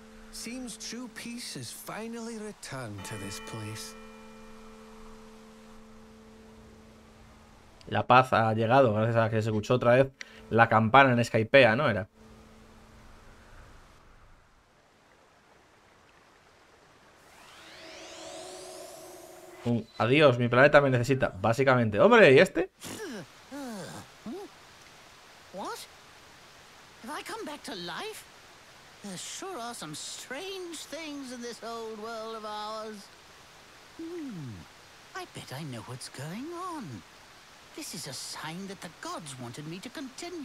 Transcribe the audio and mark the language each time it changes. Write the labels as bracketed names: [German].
[English] Seems true peace has finally returned to this place. [Spanish] La paz ha llegado gracias a que se escuchó otra vez la campana en Skypea, ¿no era? Adiós, mi planeta me necesita, básicamente. Hombre, ¿y este? [English] What? Have I come back to life? There sure are some strange things in this old world of ours. I bet I know what's going on. This is a sign that the gods wanted me to continue.